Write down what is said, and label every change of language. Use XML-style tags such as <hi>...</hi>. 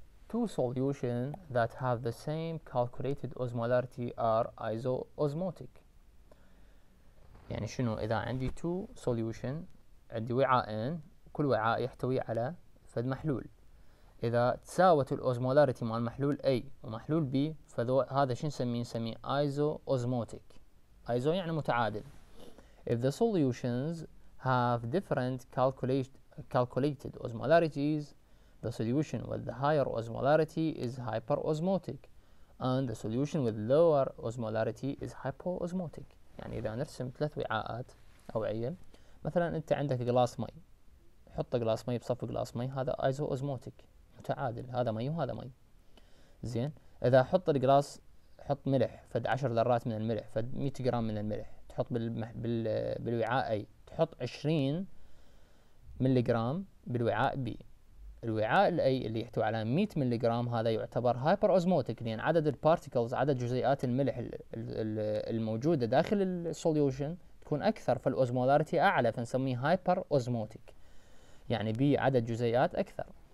<en>Two solutions that have the same calculated osmolarity are isoosmotic.</en> <ar>يعني شنو؟ إذا عندي</ar> <en>two solution،</en> <ar>عندي وعاءين كل وعاء يحتوي على فد محلول، إذا تساوت الأوزمولاريتي مع المحلول A ومحلول B فهذا شو نسميه؟ نسميه isoosmotic. iso يعني متعادل.</ar> <en>If the solutions have different calculated osmolarities, the solution with the higher osmolarity is hyperosmotic and the solution with lower osmolarity is hypoosmotic.</en> <ar>يعني إذا نرسم ثلاث وعاءات أوعية، مثلا أنت عندك غلاس مي، حط غلاس مي بصف غلاس مي، هذا isoosmotic متعادل، هذا مي وهذا مي. زين، اذا حط الجلاس، حط ملح فد 10 ذرات من الملح فد 100 جرام من الملح، تحط بالوعاء اي، تحط 20 ملي جرام بالوعاء بي، الوعاء الاي اللي يحتوي على 100 ملي جرام هذا يعتبر هايبر اوزموتيك، لان يعني عدد البارتيكلز، عدد جزيئات الملح الموجوده داخل السوليوشن تكون اكثر، فالاوزمولاريتي اعلى فنسميه هايبر اوزموتيك، يعني بي عدد جزيئات اكثر.</ar>